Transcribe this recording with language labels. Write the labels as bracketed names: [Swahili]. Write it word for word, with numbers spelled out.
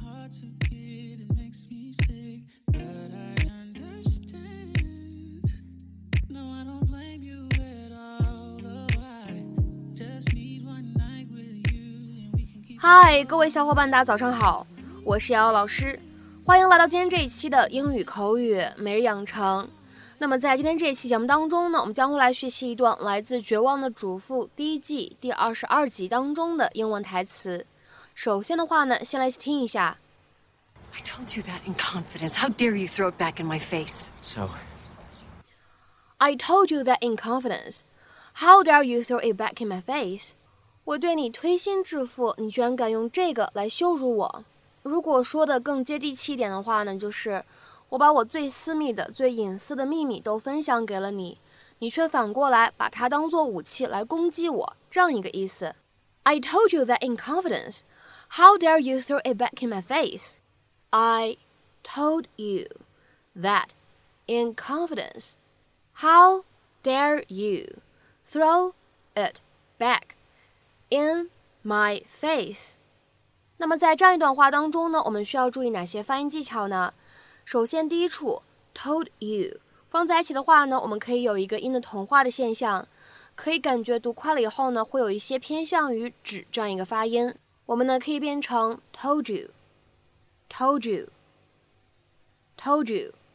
[English] took it, it makes me sick, but I understand. No, I don't blame you at all. Oh, I just need one night with you, and we can keep. [Chinese] 嗨，各位小伙伴，大家早上好，我是瑶瑶老师，欢迎来到今天这一期的英语口语每日养成。那么在今天这一期节目当中呢，我们将会来学习一段来自《绝望的主妇》第一季第二十二集当中的英文台词。首先的话呢，先来听一下。 [English] I told you that in confidence. How dare you throw it back in my face? So, I told you that in confidence. How dare you throw it back in my face? [Chinese] 我对你推心置腹，你居然敢用这个来羞辱我。如果说的更接地气一点的话呢，就是。我把我最私密的、最隐私的秘密都分享给了你，你却反过来把它当作武器来攻击我，这样一个意思。 [English] I told you that in confidence. How dare you throw it back in my face? I told you that in confidence. How dare you throw it back in my face? [Chinese] 那么在这样一段话当中呢，我们需要注意哪些发音技巧呢？首先第一处 told you 放在一起的话呢，我们可以有一个音的同化的现象，可以感觉读快了以后呢，会有一些偏向于指这样一个发音，我们呢可以变成 [English] told you told you told you。